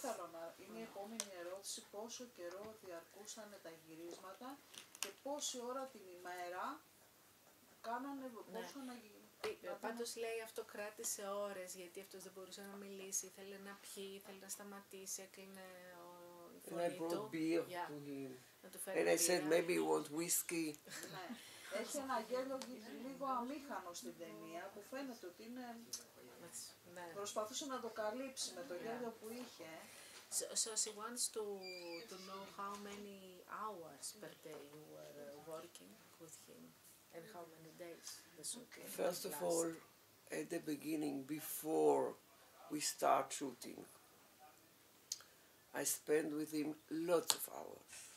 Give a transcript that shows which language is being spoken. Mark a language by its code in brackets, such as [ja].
[el] Αυτό θέλω να είναι η επόμενη ερώτηση, πόσο καιρό διαρκούσαν τα γυρίσματα και πόση ώρα την ημέρα κάνανε, πόσο να γίνει. Πάντως λέει αυτό κράτησε ώρες γιατί αυτός δεν μπορούσε να μιλήσει, ήθελε να πιει, ήθελε να σταματήσει, έκλεινε η φωνή του. [en] And I brought beer to him. And I said maybe you want whiskey. [el] Έχει ένα γέλιο λίγο αμήχανο στην ταινία που φαίνεται ότι είναι, προσπαθούσε να το καλύψει με το γέλιο που είχε. [en] So she wants to know how many hours per day you were working with him. And how many days this okay? First of all, at the beginning, before we start shooting, I spend with him lots of hours.